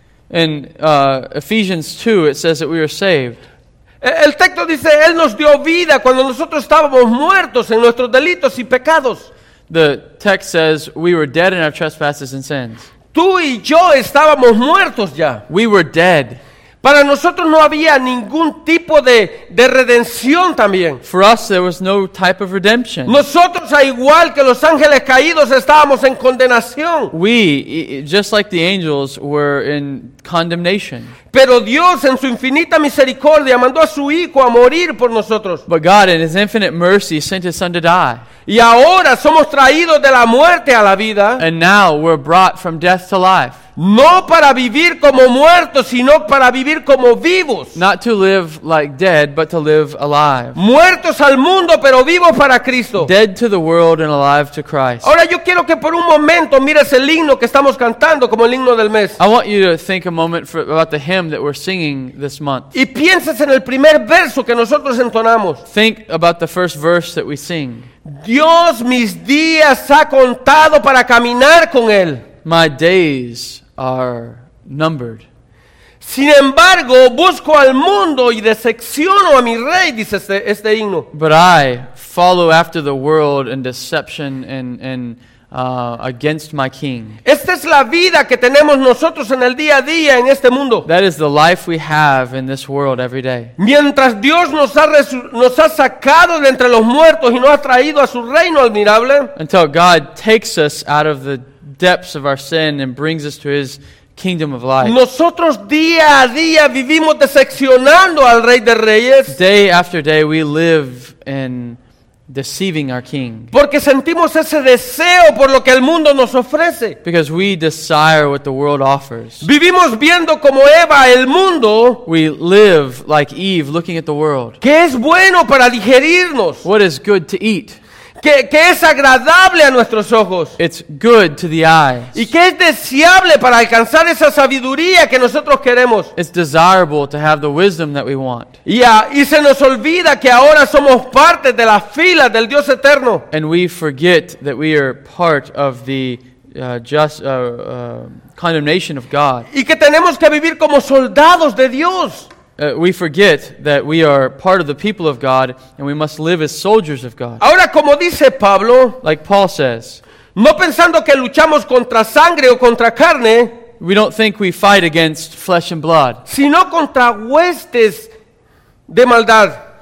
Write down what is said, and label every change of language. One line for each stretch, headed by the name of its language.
English: In Ephesians 2, it says that we are saved.
Spanish: El texto dice, Él nos dio vida cuando nosotros estábamos muertos en nuestros delitos y pecados.
English: The text says, we were dead in our trespasses and sins.
Spanish: Tú y yo estábamos muertos ya.
English: We were dead.
Spanish: Para nosotros no había ningún tipo de redención también.
English: For us there was no type of redemption.
Spanish: Nosotros, al igual que los ángeles caídos, estábamos en condenación.
English: We, just like the angels, were in condemnation.
Spanish: Pero Dios en su infinita misericordia mandó a su Hijo a morir por nosotros.
English: But God in His infinite mercy sent His Son to die.
Spanish: Y ahora somos traídos de la muerte a la vida.
English: And now we're brought from death to life.
Spanish: No para vivir como muertos, sino para vivir como vivos.
English: Not to live like dead, but to live alive.
Spanish: Muertos al mundo, pero vivos para Cristo.
English: Dead to the world and alive to Christ.
Spanish: Ahora yo quiero que por un momento mires el himno que estamos cantando como el himno del mes.
English: I want you to think a moment about the hymn that we're singing this month.
Spanish: Y pienses en el primer verso que nosotros entonamos.
English: Think about the first verse that we sing.
Spanish: Dios mis días ha contado para caminar con Él.
English: My days are numbered.
Spanish: Sin embargo, busco al mundo y decepciono a mi rey, dice este himno.
English: But I follow after the world and deception and against my king.
Spanish: Esta es la vida que tenemos nosotros en el día a día en este mundo.
English: That is the life we have in this world every day.
Spanish: Mientras Dios nos ha sacado de entre los muertos y nos ha traído a su reino admirable.
English: Until God takes us out of the depths of our sin and brings us to His kingdom of life.
Spanish: Nosotros día a día vivimos decepcionando al Rey de Reyes.
English: Day after day we live in deceiving our King.
Spanish: Porque sentimos ese deseo por lo que el mundo nos ofrece.
English: Because we desire what the world offers.
Spanish: Vivimos viendo como Eva el mundo.
English: We live like Eve looking at the world.
Spanish: ¿Qué es bueno para digerirnos?
English: What is good to eat?
Spanish: que es agradable a nuestros ojos.
English: It's good to the eyes.
Spanish: Y que es deseable para alcanzar esa sabiduría que nosotros queremos.
English: It's desirable to have the wisdom that we want.
Spanish: Y se nos olvida que ahora somos parte de la fila del Dios eterno.
English: And we forget that we are part of the condemnation of God.
Spanish: Y que tenemos que vivir como soldados de Dios.
English: We forget that we are part of the people of God and we must live as soldiers of God.
Spanish: Ahora, como dice Pablo,
English: like Paul says,
Spanish: no pensando que luchamos contra sangre o contra carne,
English: we don't think we fight against flesh and blood,
Spanish: sino contra huestes de maldad,